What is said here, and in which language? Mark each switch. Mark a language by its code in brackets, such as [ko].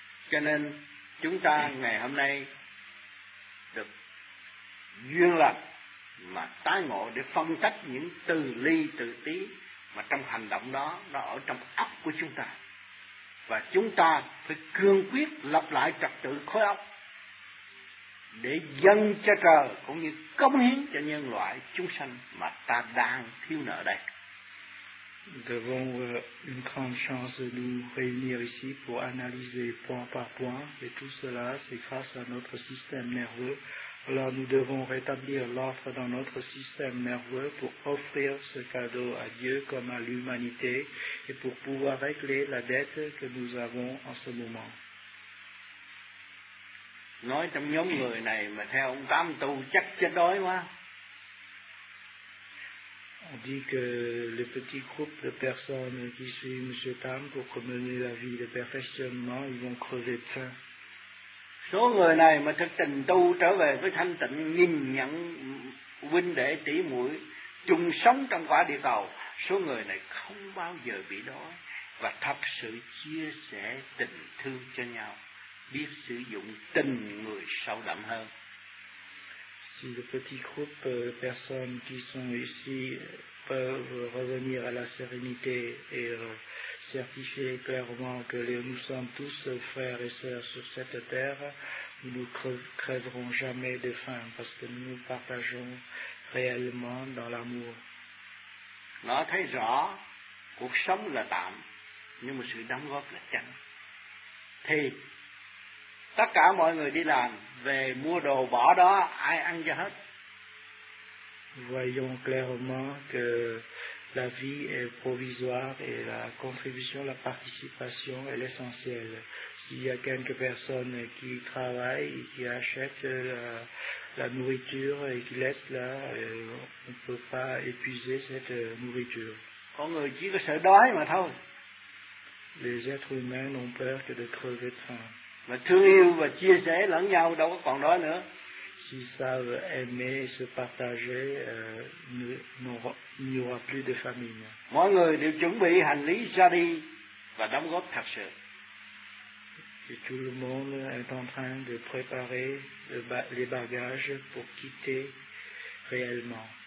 [vi] Cho nên chúng ta ngày hôm nay được duyên lành mà tái ngộ để phân tách những từ ly từ tí mà trong hành động đó nó ở trong óc của chúng ta. Và chúng ta phải cương quyết lập lại trật tự khối óc để dâng cho trời cũng như cống hiến cho nhân loại chúng sanh mà ta đang thiếu nợ đây. [fr] Devons une grande chance de nous réunir ici pour analyser point par point, et tout cela c'est grâce à notre système nerveux. Alors nous devons rétablir l'offre dans notre système nerveux pour offrir ce cadeau à Dieu comme à l'humanité et pour pouvoir régler la dette que nous avons en ce moment. [vi] Nói trong nhóm người này mà theo ông Tám tu chắc chết đói quá. [fr] On dit que le petit groupe de personnes qui suit M. Tam pour mener la vie de perfectionnement, ils vont crever de faim. [vi] Số người này mà thực tình tu trở về với thanh tịnh, nhìn nhận huynh đệ tỷ muội chung sống trong quả địa cầu, số người này không bao giờ bị đói và thật sự chia sẻ tình thương cho nhau, biết sử dụng tình người sâu đậm hơn. [fr] Si le petit groupe de personnes qui sont ici peuvent revenir à la sérénité et certifier clairement que nous sommes tous frères et sœurs sur cette terre, nous ne crèverons jamais de faim parce que nous partageons réellement dans l'amour. [vi] Nó thấy rõ, cuộc sống là tạm, nhưng mà sự đóng góp là chân. Thì tất cả mọi người đi làm, về mua đồ bỏ đó, ai ăn cho hết. [fr] Voyons clairement que la vie est provisoire et la contribution, la participation est l'essentiel. S'il y a quelques personnes qui travaillent, qui achètent la nourriture et qui laissent là, on ne peut pas épuiser cette nourriture. [vi] Con người chỉ có sợ đói mà thôi. [fr] Les êtres humains n'ont peur que de crever de faim. [vi] Mà thương yêu và chia sẻ lẫn nhau đâu có còn đói nữa. [fr] S'ils savent aimer et se partager, il n'y aura plus de famine. [vi] Mọi người đều chuẩn bị hành lý ra đi và đóng góp thật sự. [fr] Et tout le monde est en train de préparer les bagages pour quitter réellement.